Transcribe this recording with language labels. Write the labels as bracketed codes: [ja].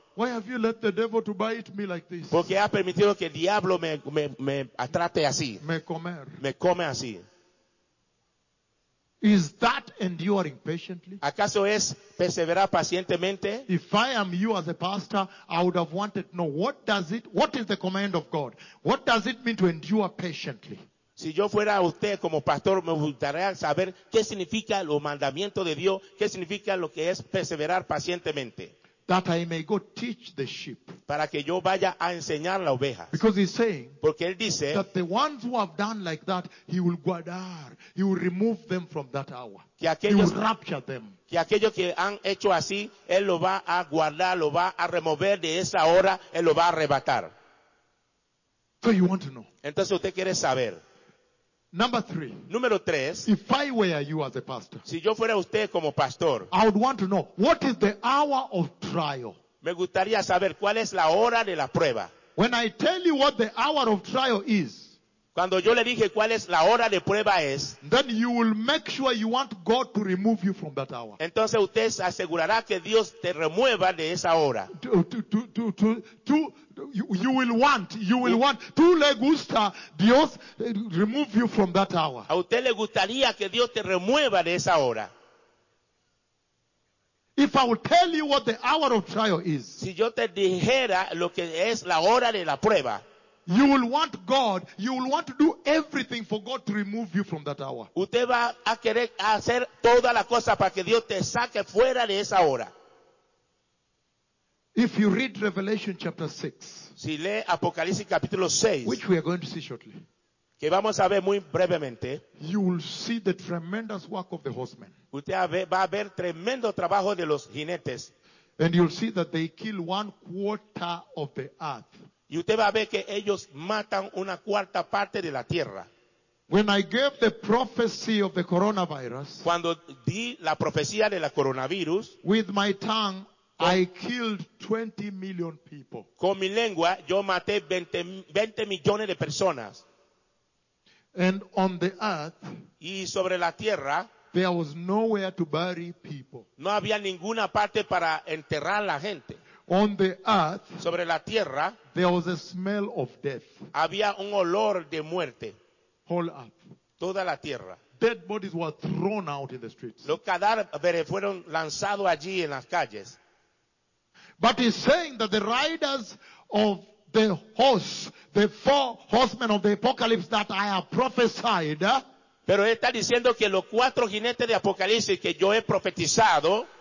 [en] Why have you let the devil to bite me like this? [es] ¿Por qué ha permitido que el diablo me atrape así? Me comer. Me come así. [en] Is that enduring patiently? [es] ¿Acaso es perseverar pacientemente? [en] If I am you as a pastor, I would have wanted to know what is the command of God? What does it mean to endure patiently? [es] Si yo fuera usted como pastor, me gustaría saber qué significa los mandamientos de Dios, qué significa lo que es perseverar pacientemente. [en] That I may go teach the sheep. [es] Para que yo vaya a enseñar la oveja. [en] Because he's saying. [es] Porque él dice. [en] That the ones who have done like that, he will [es] guardar. [en] He will remove them from that hour. [es] Que aquellos, [en] he will rapture them. [es] Que aquellos que han hecho así, él lo va a guardar, lo va a remover de esa hora, él lo va a arrebatar. [en] So you want to know. [es] Entonces usted quiere saber. [en] Number three. [es] Número tres. [en] If I were you as a pastor. [es] Si yo fuera usted como pastor. [en] I would want to know what is the hour of trial. [es] Me gustaría saber cuál es la hora de la prueba. [en] When I tell you what the hour of trial is. [es] Cuando yo le dije cuál es la hora de prueba es. [en] Then you will make sure you want God to remove you from that hour. [es] Entonces usted se asegurará que Dios te remueva de esa hora. [en] You will want. [es] Tú le gusta Dios [en] remove you from that hour. [es] A usted le gustaría que Dios te remueva de esa hora. [en] If I will tell you what the hour of trial is. [es] Si yo te dijera lo que es la hora de la prueba. [en] You will want God, you will want to do everything for God to remove you from that hour. [es] Usted va a querer hacer toda la cosa para que Dios te saque fuera de esa hora. [en] If you read Revelation chapter 6. [es] Si lee Apocalipsis capítulo 6. [en] Which we are going to see shortly. [es] Que vamos a ver muy brevemente. [en] You will see the tremendous work of the horsemen. [es] Usted va a ver tremendo trabajo de los jinetes. [en] And you'll see that they kill one quarter of the earth. [es] Y usted va a ver que ellos matan una cuarta parte de la tierra. [en] When I gave the prophecy of the coronavirus, [es] cuando di la profecía de la coronavirus, [en] with my tongue, I killed 20 million people. [es] Con mi lengua, yo maté 20 millones de personas. [en] And on the earth, [es] y sobre la tierra, [en] there was nowhere to bury people. [es] No había ninguna parte para enterrar a la gente. [en] On the earth, [es] sobre la tierra, [en] there was a smell of death. [es] Había un olor de muerte. [en] All up. [es] Toda la tierra. [en] Dead bodies were thrown out in the streets. [es] Los cadáveres fueron lanzados allí en las calles. [en] But he's saying that the riders of the horse, the four horsemen of the apocalypse that I have prophesied. [es] Pero está diciendo que los cuatro jinetes de Apocalipsis que yo he profetizado.